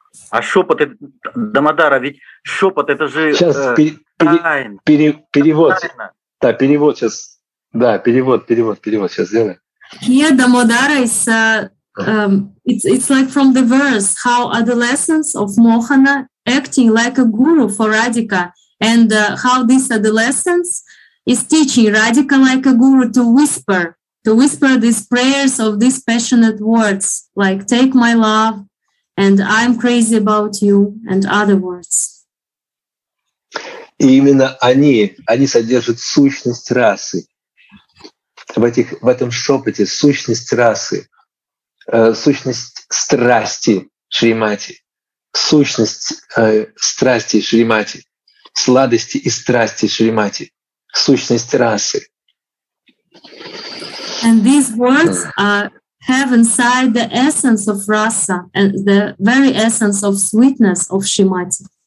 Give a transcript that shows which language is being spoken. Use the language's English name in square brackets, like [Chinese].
[Russian] А шепот, Дамодара, ведь шепот это же сейчас перевод. Да, перевод сейчас. Да, перевод сейчас сделаем. [English] Here Дамодара is. It's like from the verse how adolescents of Mohana acting like a guru for Radhika and how this adolescence is teaching Radhika like a guru to whisper to whisper these prayers of these passionate words, like take my love and I'm crazy about you and other words. [Russian] И именно они содержат сущность расы. В этом шепоте сущность расы, сущность страсти Шримати, сущность страсти Шримати, сладости и страсти Шримати, сущность расы. [English] And these words have inside the essence of rasa and the very essence of sweetness of Shrimati.